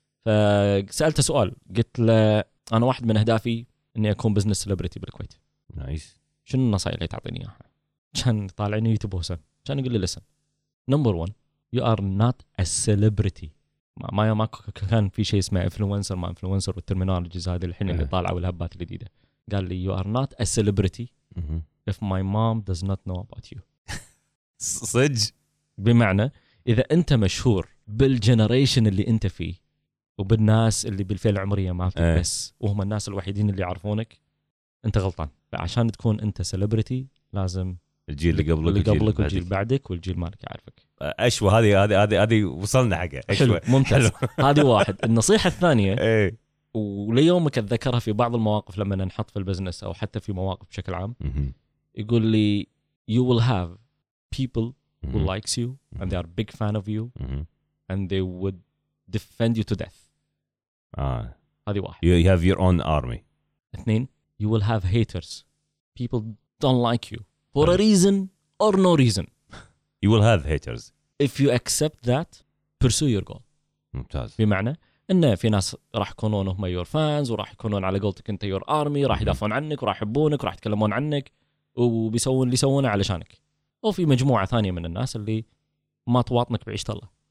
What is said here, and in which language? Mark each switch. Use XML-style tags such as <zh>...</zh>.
<ar>فسالته سؤال قلت له انا واحد من اهدافي اني اكون بزنس سيلبرتي بالكويت. نايس. شنو النصائح اللي تعطيني اياها؟ كان طالعني يوتيوب هوسن. كان يقول لي</ar> <en>Listen number 1 you are not a celebrity.</en> <ar>ما كان في شيء اسمه انفلونسر ما انفلونسر والترمينولوجيز هذه الحين اللي طالعه والهبات الجديده. قال لي</ar> <en>you are not a celebrity if my mom does not know about you.</en> <ar>صج بمعنى إذا أنت مشهور بالجنريشن اللي أنت فيه وبالناس اللي بالفئة العمرية مالتك بس وهم الناس الوحيدين اللي يعرفونك أنت غلطان. فعشان تكون أنت celebrity لازم الجيل اللي قبلك اللي قبلك والجيل بعدك والجيل مالك يعرفك. أشوى هذه هذه هذه هذه وصلنا حقها. حلو ممتاز. هذه واحد. النصيحة الثانية وليومك اتذكرها في بعض المواقف لما ننحط في البزنس او حتى في مواقف بشكل عام. يقول لي</ar> <en>you will have people who likes you and they are big fan of you and they would defend you to death.</en> <ar>هذه واحد.</ar> <en>You have your own army.</en> <ar>اثنين</ar> <en>you will have haters, people don't like you for a reason or no reason. You will have haters. If you accept that, pursue your goal.</en> <ar>ممتاز. بمعنى إنه في ناس راح يكونون هم</ar> <en>your fans</en> <ar>وراح يكونون على قولتك أنت</ar> <en>your army</en> <ar>راح يدافعون عنك وراح يحبونك وراح يتكلمون عنك وبيسوون اللي يسوونه علشانك. أو في مجموعة ثانية من الناس اللي ما تواطنك بعيشة الله.</ar>